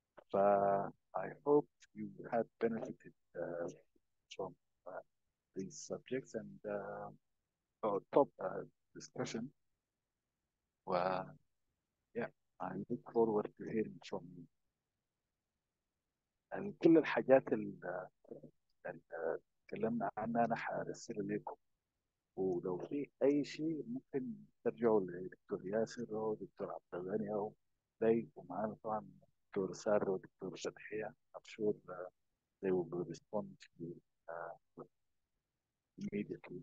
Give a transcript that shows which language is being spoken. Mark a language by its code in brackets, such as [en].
[en] ف I hope you had benefited from these subjects and our top discussion. و yeah, I look forward to hearing from you. [ar] يعني كل الحاجات اللي تكلمنا عنها أنا هرسل لكم، ولو في أي شيء ممكن ترجعوا لدكتور ياسر أو دكتور عبد الغني أو زي، ومعانا طبعا دكتور سارة ودكتور فتحية. [en] I'm sure they will respond to you immediately.